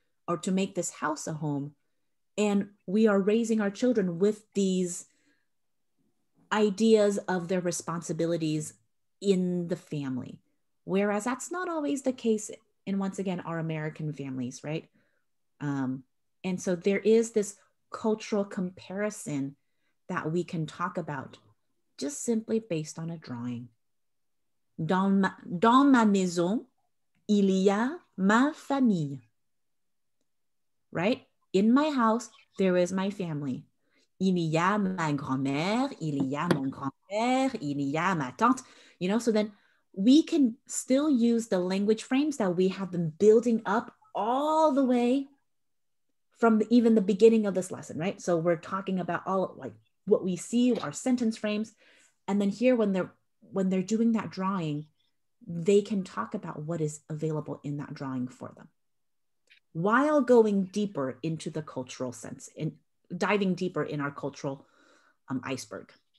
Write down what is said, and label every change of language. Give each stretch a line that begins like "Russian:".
English: Or to make this house a home. And we are raising our children with these ideas of their responsibilities in the family. Whereas that's not always the case in, once again, our American families, right? And so there is this cultural comparison that we can talk about just simply based on a drawing.
French: Dans ma maison, il y a ma famille. Right?
English: In my house, there is my family.
French: Il y a ma grand-mère, il y a mon grand-père, il y a ma tante.
English: You know, so then we can still use the language frames that we have been building up all the way from the, even the beginning of this lesson, right? So we're talking about all like what we see, our sentence frames. And then here, when they're doing that drawing, they can talk about what is available in that drawing for them while going deeper into the cultural sense and diving deeper in our cultural iceberg.